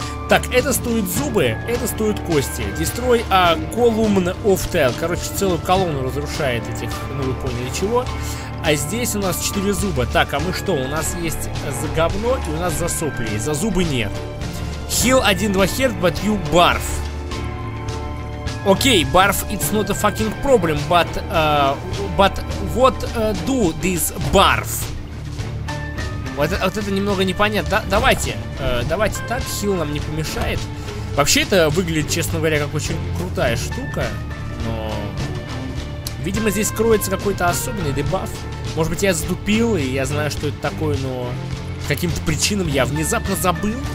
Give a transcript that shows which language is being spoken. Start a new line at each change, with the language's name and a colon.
Russian: Так, это стоит зубы, это стоит кости.
English: Destroy a column of tail.
Russian: Короче, целую колонну разрушает этих, ну вы поняли чего. А здесь у нас 4 зуба. Так, а мы что, у нас есть за говно и у нас за сопли, за зубы нет.
English: Heal 1-2 hurt, but you barf. Окей, barf it's not a fucking problem, but what do this barf?
Russian: Вот это немного непонятно. Да, давайте так, хил нам не помешает. Вообще это выглядит, честно говоря, как очень крутая штука, но, видимо, здесь кроется какой-то особенный дебаф. Может быть, я задупил, и я знаю, что это такое, но каким-то причинам я внезапно забыл.